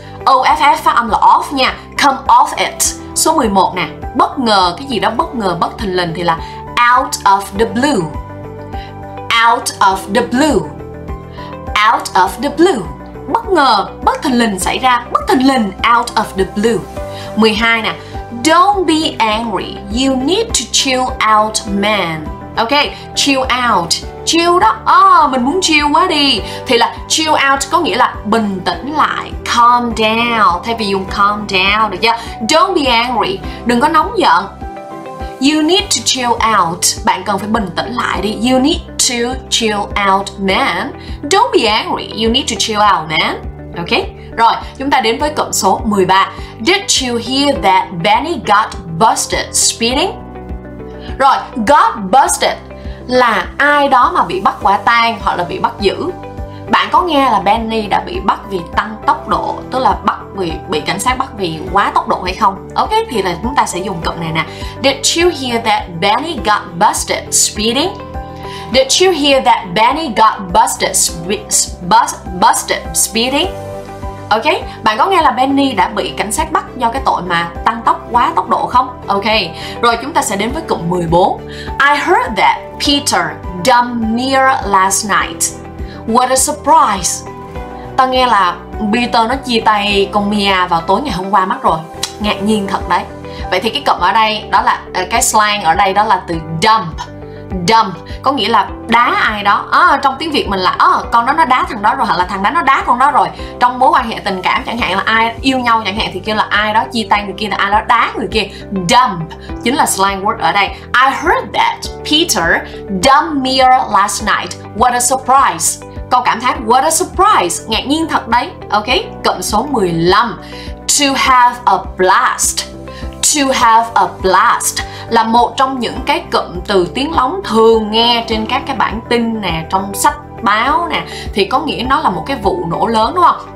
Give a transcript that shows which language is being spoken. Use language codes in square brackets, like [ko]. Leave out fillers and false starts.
[vi] O-F-F phát âm là off nha. [en] Come off it. [vi] Số 11 nè, bất ngờ, cái gì đó bất ngờ, bất thình lình thì là [en] out of the blue. Out of the blue. Out of the blue. [vi] Bất ngờ, bất thình lình xảy ra. Bất thình lình, [en] out of the blue. 12 nè, don't be angry, you need to chill out, man. Ok, chill out. [vi] Chill đó, mình muốn chill quá đi. Thì là chill out có nghĩa là bình tĩnh lại. [en] Calm down, [vi] thay vì dùng [en] calm down, [vi] được chưa? [en] Don't be angry, [vi] đừng có nóng giận. [en] You need to chill out, [vi] bạn cần phải bình tĩnh lại đi. [en] You need to chill out, man. Don't be angry, you need to chill out, man. [vi] Ok, rồi chúng ta đến với cụm số 13. [en] Did you hear that Benny got busted speeding? [vi] Rồi, got busted là ai đó mà bị bắt quả tang hoặc là bị bắt giữ. Bạn có nghe là Benny đã bị bắt vì tăng tốc độ, tức là bị cảnh sát bắt vì quá tốc độ hay không? Ok, thì là chúng ta sẽ dùng cụm này nè. [en] Did you hear that Benny got busted speeding? Did you hear that Benny got busted, busted speeding? [vi] Ok, bạn có nghe là Benny đã bị cảnh sát bắt do cái tội mà tăng tốc quá tốc độ không? Ok, rồi chúng ta sẽ đến với cụm 14. [en] I heard that Peter dumped Mira last night. What a surprise. [vi] Tao nghe là Peter nó chia tay con Mia vào tối ngày hôm qua mất rồi. Ngạc nhiên thật đấy. Vậy thì cái cụm ở đây, đó là cái slang ở đây đó là từ dump. Dump có nghĩa là đá ai đó. Trong tiếng Việt mình là con đó nó đá thằng đó rồi, hoặc là thằng đó nó đá con đó rồi. Trong mối quan hệ tình cảm chẳng hạn là ai yêu nhau chẳng hạn thì kêu là ai đó chia tay người kia, là ai đó đá người kia. Dump chính là slang word ở đây. [en] I heard that Peter dumped Mira last night. What a surprise. [vi] Câu cảm thán [en] what a surprise, [vi] ngạc nhiên thật đấy. Ok, cụm số 15. [en] To have a blast. [vi] To have a blast là một trong những cái cụm từ tiếng lóng thường nghe trên các cái bản tin nè, trong sách báo nè, thì có nghĩa nó là một cái vụ nổ lớn đúng không?